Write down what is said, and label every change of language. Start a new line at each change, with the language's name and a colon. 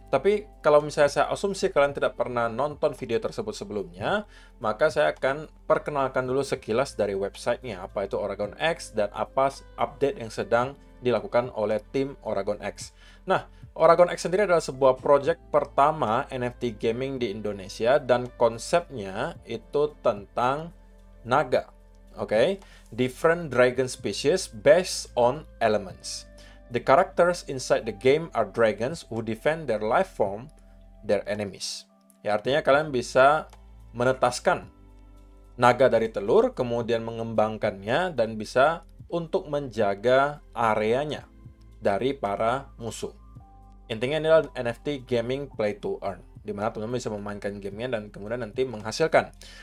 Indonesian: Tapi kalau misalnya saya asumsi kalian tidak pernah nonton video tersebut sebelumnya, maka saya akan perkenalkan dulu sekilas dari websitenya, apa itu Oregon X dan apa update yang sedang dilakukan oleh tim Oregon X. Nah, Oregon X sendiri adalah sebuah proyek pertama NFT gaming di Indonesia dan konsepnya itu tentang naga.
English: Oke, different dragon species based on elements. The characters inside the game are dragons who defend their life form, their enemies.
Indonesian: Ya, artinya kalian bisa menetaskan naga dari telur, kemudian mengembangkannya, dan bisa untuk menjaga areanya dari para musuh. Intinya ini adalah NFT gaming play to earn, di mana teman-teman bisa memainkan gamenya dan kemudian nanti menghasilkan.